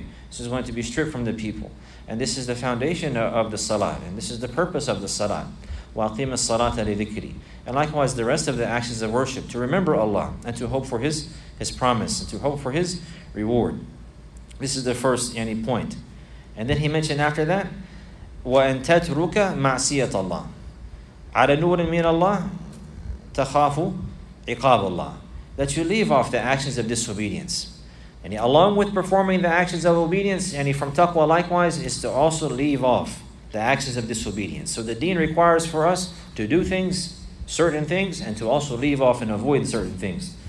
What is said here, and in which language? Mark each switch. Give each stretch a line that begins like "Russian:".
English: This is going to be stripped from the people. And this is the foundation of the salat. And this is the purpose of the salat.
Arabic: وَاقِيمَ الصَّلَاةَ لِذِكْرِي.
English: And likewise, the rest of the actions of worship, to remember Allah and to hope for His promise, and to hope for His reward. This is the first point. And then he mentioned after that,
Arabic: وَأَن تَتْرُكَ مَعْسِيَةَ اللَّهِ عَلَى نُورٍ مِنَ اللَّهِ تَخَافُ عِقَابَ اللَّهِ.
English: That you leave off the actions of disobedience. And along with performing the actions of obedience, and from taqwa likewise, is to also leave off the actions of disobedience. So the deen requires for us to do things, certain things, and to also leave off and avoid certain things.